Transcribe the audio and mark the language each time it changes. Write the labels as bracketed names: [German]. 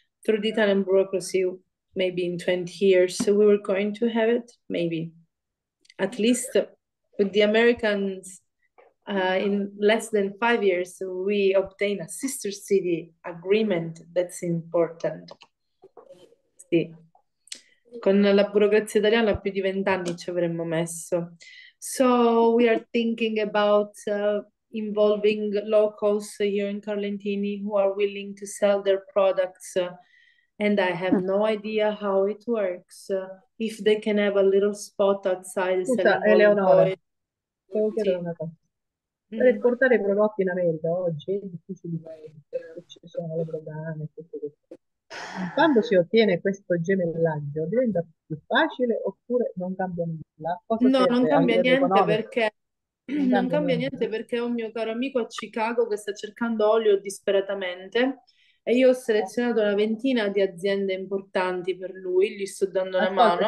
[English] Through the Italian bureaucracy, maybe in 20 years, so we were going to have it, maybe. At least with the Americans, in less than 5 years, we obtain a sister city agreement. That's important. Sì. [Italian] Con la burocrazia italiana, più di 20 anni ci avremmo messo. [English] So we are thinking about involving locals here in Carlentini who are willing to sell their products. And I have no idea how it works. If they can have a little spot outside. [Italian] Scusa, Eleonora, volevo chiedere una cosa. Per esportare i prodotti in America oggi è difficile, perché ci sono le dogane e tutto questo. Quando si ottiene questo gemellaggio diventa più facile oppure non cambia nulla? No, non cambia niente, perché non cambia niente, perché ho un mio caro amico a Chicago che sta cercando olio disperatamente e io ho selezionato una 20 di aziende importanti per lui, gli sto dando una mano.